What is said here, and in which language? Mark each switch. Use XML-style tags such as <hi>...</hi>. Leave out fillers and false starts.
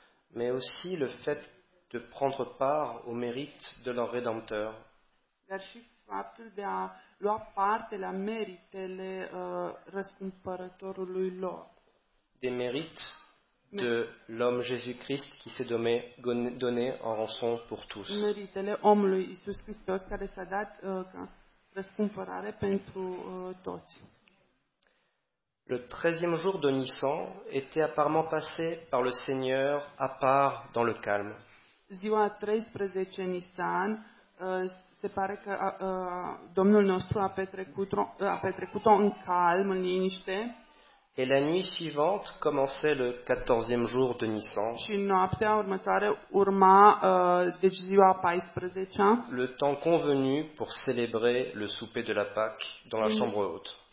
<fr>Mais aussi le fait de prendre part au mérite de leur rédempteur.</fr> <ro>Dar și faptul de a lua parte la meritele răscumpărătorului lor.</ro> <fr>Des mérites de l'homme Jésus-Christ qui s'est donné en rançon pour tous.</fr> <ro>Meritele omului Iisus Hristos care s-a dat ca răscumpărare pentru toți.</ro> <fr>Le 13e jour de Nissan était apparemment passé par le Seigneur à part dans le calme.</fr> <ro>Ziua 13 Nissan se pare că Domnul nostru a petrecut-o în calm, în liniște.</ro> <fr>Et la nuit suivante commençait le 14e jour de Nissan.</fr> <ro>Și noaptea următoare urma deci ziua 14-a.</ro> <fr>Le temps convenu pour célébrer le souper de la Pâque dans la chambre haute.</fr>